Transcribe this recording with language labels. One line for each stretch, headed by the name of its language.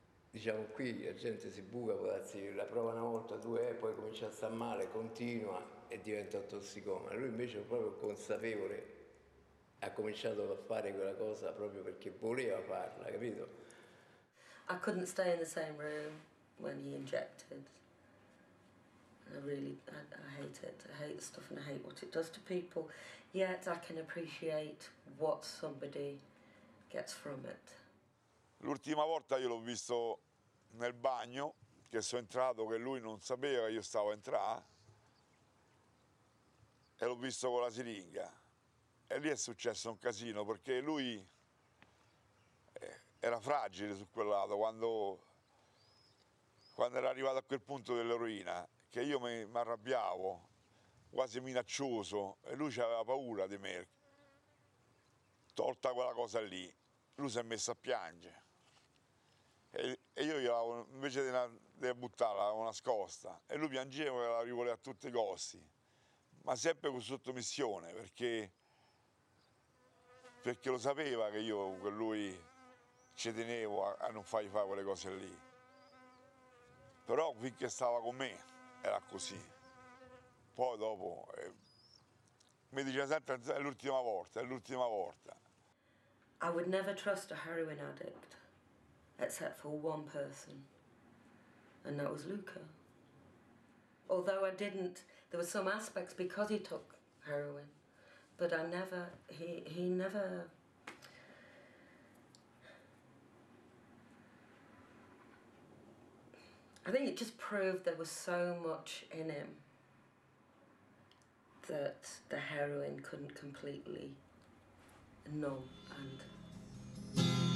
Italian: diciamo qui la gente si buca, può darsi, la prova una volta, due, poi comincia a star male, continua e diventa tossicomane. Lui invece proprio consapevole ha cominciato a fare quella cosa proprio perché voleva farla, capito?
English: I couldn't stay in the same room when he injected. I hate it. I hate the stuff and I hate what it does to people. Yet I can appreciate what somebody gets from it.
Italian: L'ultima volta io l'ho visto nel bagno, che sono entrato, che lui non sapeva che io stavo a entrare, e l'ho visto con la siringa. E lì è successo un casino, perché lui era fragile su quel lato, quando era arrivato a quel punto dell'eroina, che io mi arrabbiavo, quasi minaccioso, e lui aveva paura di me. Tolta quella cosa lì, lui si è messo a piangere. E io gliela, invece di buttarla, l'avevo nascosta. E lui piangeva e la rivoleva a tutti i costi. Ma sempre con sottomissione, perché lo sapeva che io con lui ci tenevo a non fargli fare quelle cose lì. Però finché stava con me era così. Poi dopo mi diceva sempre, è l'ultima volta.
English: I would never trust a heroin addict. Except for one person, and that was Luca. Although I didn't, there were some aspects because he took heroin, but I never, he never, I think it just proved there was so much in him that the heroin couldn't completely numb and.